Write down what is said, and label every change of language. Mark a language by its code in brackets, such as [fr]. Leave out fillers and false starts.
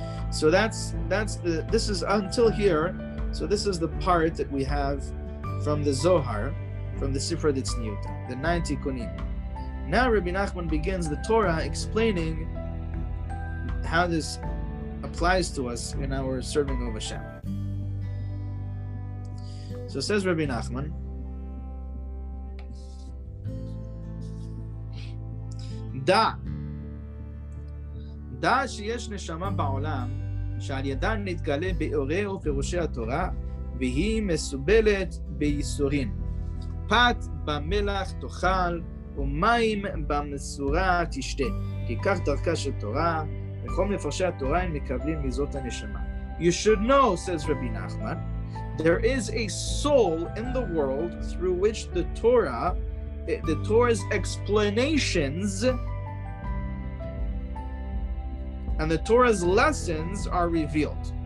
[en] So this is until here. So this is the part that we have from the Zohar, from the Sifra Ditzniut, the 9 tikkunim. Now Rabbi Nachman begins the Torah explaining how this applies to us in our serving of Hashem. So says Rabbi Nachman, [he] Da sheyesh neshama ba'olam, שעל ידן נתגלה באורי ופירושי התורה, והיא מסובלת בייסורים. פת במלח תאכל, ומים במסורה תשתה. כי כך דרכה של תורה, וכל מפרשי התורה הם מקבלים מזאת הנשמה. [en] You should know, says Rabbi Nachman, there is a soul in the world through which the Torah's explanations and the Torah's lessons are revealed.